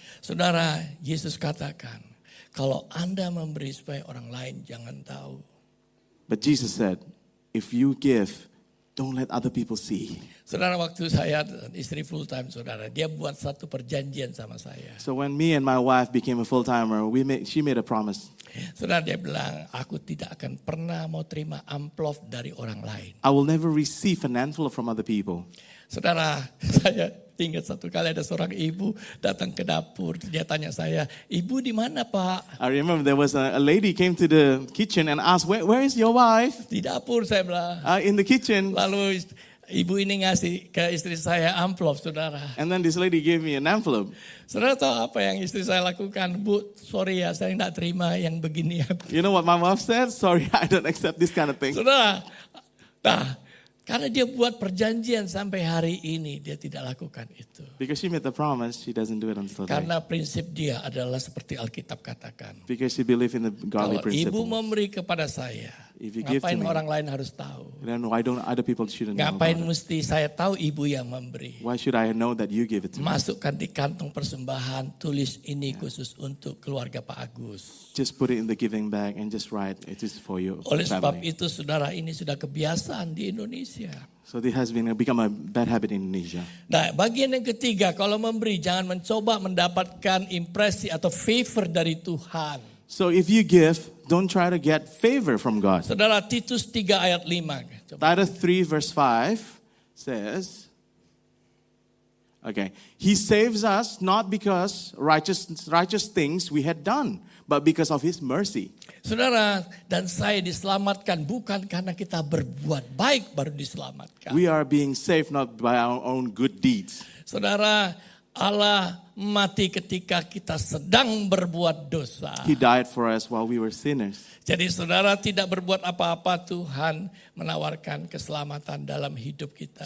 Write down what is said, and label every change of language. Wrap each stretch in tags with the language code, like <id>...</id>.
<id>Saudara, Yesus katakan, kalau Anda memberi supaya orang lain jangan tahu.</id> <en>But Jesus said, if you give, don't let other people see.</en> <id>Saudara, waktu saya istri full time, saudara, dia buat satu perjanjian sama saya.</id> <en>So when me and my wife became a full timer, she made a promise.</en> <id>Saudara, dia bilang, aku tidak akan pernah mau terima amplop dari orang lain.</id> <en>I will never receive an envelope from other people.</en> <id>Saudara, saya ingat satu kali ada seorang ibu datang ke dapur. Dia tanya saya, ibu di mana pak?</id> <en>I remember there was a lady came to the kitchen and asked, where is your wife?</en> <id>Di dapur saya bilang.</id> <en>In the kitchen.</en> <id>Lalu ibu ini ngasih ke istri saya amplop, saudara.</id> <en>And then this lady gave me an envelope.</en> <id>Saudara tahu apa yang istri saya lakukan? Bu, sorry ya, saya tidak terima yang begini.</id> <en>You know what my wife said? Sorry, I don't accept this kind of thing.</en> <id>Saudara, nah. Karena dia buat perjanjian sampai hari ini, dia tidak lakukan itu.</id> <en>Because she made the promise, she doesn't do it until today.</en> <id>Karena prinsip dia adalah seperti Alkitab katakan.</id> <en>Because she believe in the godly principle.</en> <id>Kalau ibu memberi kepada saya, ngapain orang lain harus tahu?</id> <en>Then why don't other people shouldn't know?</en> <id>Ngapain mesti saya tahu ibu yang memberi?</id> <en>Why should I know that you give it to me?</en> <id>Masukkan di kantong persembahan, tulis ini khusus untuk keluarga Pak Agus.</id> <en>Just put it in the giving bag and just write it is for you.</en> <id>Oleh sebab itu, saudara, ini sudah kebiasaan di Indonesia.</id> <en>So this has become a bad habit in Indonesia.</en> <id>Nah, bagian yang ketiga, kalau memberi, jangan mencoba mendapatkan impresi atau favor dari Tuhan.</id> <en>So if you give, don't try to get favor from God.</en> <id>Saudara, Titus 3 ayat 5.</id> <en>Titus 3 verse 5 says, okay, he saves us not because righteous things we had done, but because of his mercy.</en> <id>Saudara, dan saya diselamatkan bukan karena kita berbuat baik baru diselamatkan.</id> <en>We are being saved not by our own good deeds.</en> <id>Saudara, Allah mati ketika kita sedang berbuat dosa.</id> <en>He died for us while we were sinners.</en> <id>Jadi saudara tidak berbuat apa-apa, Tuhan menawarkan keselamatan dalam hidup kita.</id>